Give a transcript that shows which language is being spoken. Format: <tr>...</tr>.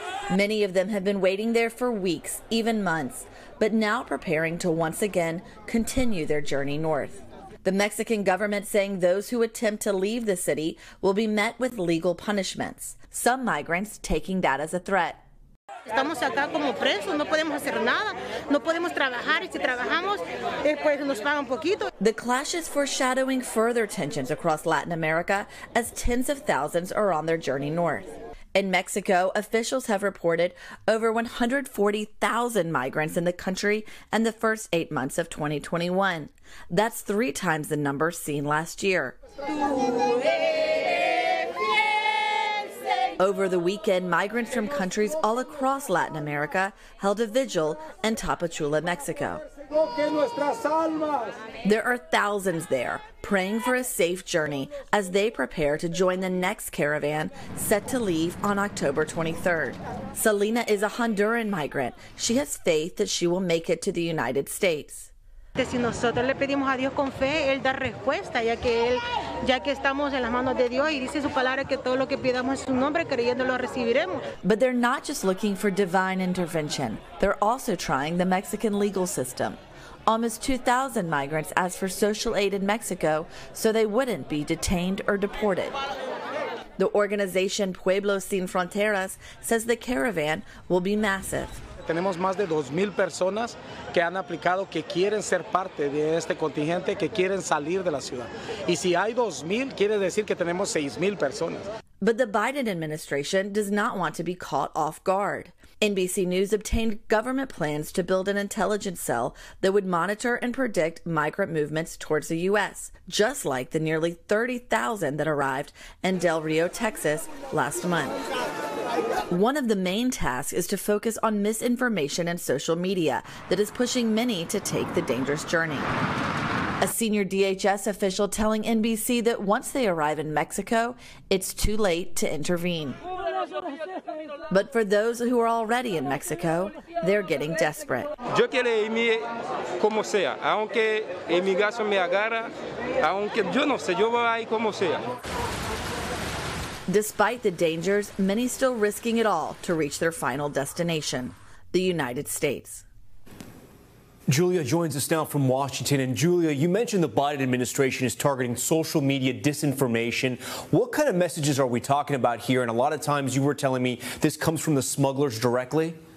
<en>Many of them have been waiting there for weeks, even months, but now preparing to once again continue their journey north. The Mexican government saying those who attempt to leave the city will be met with legal punishments. Some migrants taking that as a threat.</en> <es>Estamos acá como presos, no podemos hacer nada, no podemos trabajar, y si trabajamos, pues nos pagan poquito.</es> <en>The clash is foreshadowing further tensions across Latin America as tens of thousands are on their journey north. In Mexico, officials have reported over 140,000 migrants in the country in the first 8 months of 2021. That's 3 times the number seen last year. Over the weekend, migrants from countries all across Latin America held a vigil in Tapachula, Mexico. There are thousands there, praying for a safe journey as they prepare to join the next caravan set to leave on October 23rd. Selena is a Honduran migrant. She has faith that she will make it to the United States.</en> <es>Si nosotros le pedimos a Dios con fe, él da respuesta, ya que estamos en las manos de Dios y dice su palabra que todo lo que pidamos en su nombre creyendo lo recibiremos.</es> <en>But they're not just looking for divine intervention. They're also trying the Mexican legal system. Almost 2,000 migrants asked for social aid in Mexico so they wouldn't be detained or deported. The organization Pueblos Sin Fronteras says the caravan will be massive.</en> <es>Tenemos más de 2,000 personas que han aplicado, que quieren ser parte de este contingente, que quieren salir de la ciudad. Y si hay 2,000, quiere decir que tenemos 6,000 personas.</es> <en>But the Biden administration does not want to be caught off guard. NBC News obtained government plans to build an intelligence cell that would monitor and predict migrant movements towards the U.S., just like the nearly 30,000 that arrived in Del Rio, Texas, last month. One of the main tasks is to focus on misinformation and social media that is pushing many to take the dangerous journey. A senior DHS official telling NBC that once they arrive in Mexico, it's too late to intervene. But for those who are already in Mexico, they're getting desperate.</en> <es>Yo quiero irme como sea, aunque en mi caso me agarra, aunque yo no sé, yo voy a ir como sea.</es> <en>Despite the dangers, many still risking it all to reach their final destination, the United States. Julia joins us now from Washington. And Julia, you mentioned the Biden administration is targeting social media disinformation. What kind of messages are we talking about here? And a lot of times you were telling me this comes from the smugglers directly.</en>